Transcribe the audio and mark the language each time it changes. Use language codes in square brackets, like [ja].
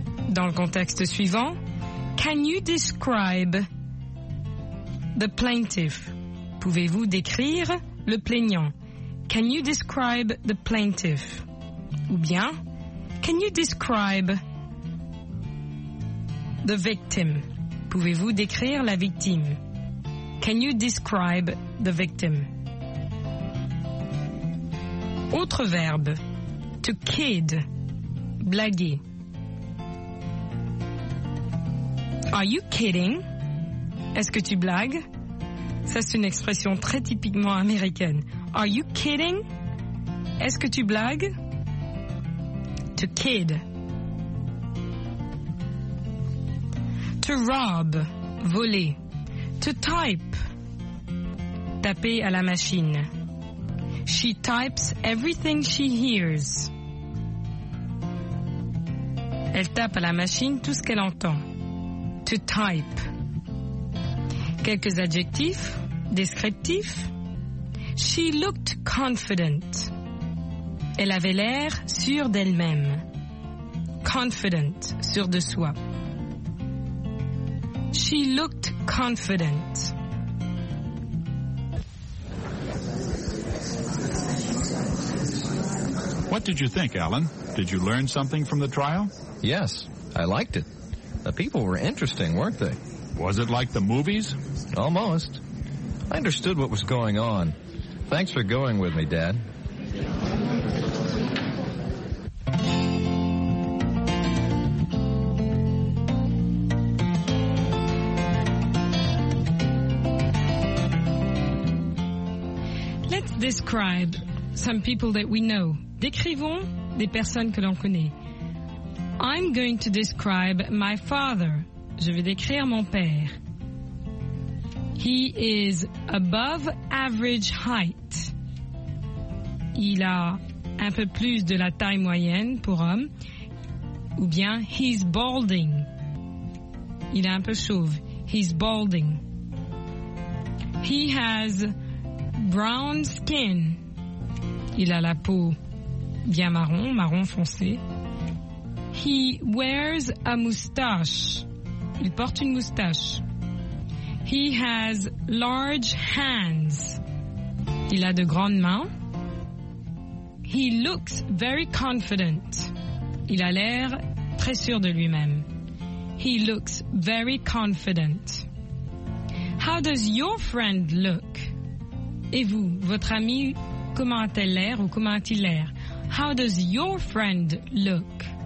[fr] Dans le contexte suivant, [en] can you describe the plaintiff? [fr] Pouvez-vous décrire le plaignant? [en] Can you describe the plaintiff? [fr] Ou bien, [en] can you describe the victim? [fr] Pouvez-vous décrire la victime? [en] Can you describe the victim? [fr] Autre verbe, [en] to kid, [fr] blaguer. [en] Are you kidding? [fr] Est-ce que tu blagues? Ça, c'est une expression très typiquement américaine. [en] Are you kidding? [fr] Est-ce que tu blagues? [en] To kid. To rob, [fr] voler. [en] To type, [fr] taper à la machine. [en] She types everything she hears. [fr] Elle tape à la machine tout ce qu'elle entend. [en] To type. [fr] Quelques adjectifs descriptifs. [en] She looked confident. [fr] Elle avait l'air sûre d'elle-même. [en] Confident, [fr] sûre de soi. [en] She looked confident. What did you think, Alan? Did you learn something from the trial? Yes, I liked it. The people were interesting, weren't they? Was it like the movies? Almost. I understood what was going on. Thanks for going with me, Dad. Let's describe some people that we know. [fr] Décrivons des personnes que l'on connaît. [en] I'm going to describe my father. [fr] Je vais décrire mon père. [en] He is above average height. [fr] Il a un peu plus de la taille moyenne pour homme. Ou bien, [en] he's balding. [fr] Il est un peu chauve. [en] He's balding. He has brown skin. [fr] Il a la peau bien marron, marron foncé. [en] He wears a moustache. [fr] Il porte une moustache. [en] He has large hands. [fr] Il a de grandes mains. [en] He looks very confident. [fr] Il a l'air très sûr de lui-même. [en] He looks very confident. How does your friend look? [fr] Et vous, votre ami, comment a-t-il l'air ou comment a-t-il l'air? [en] How does your friend look?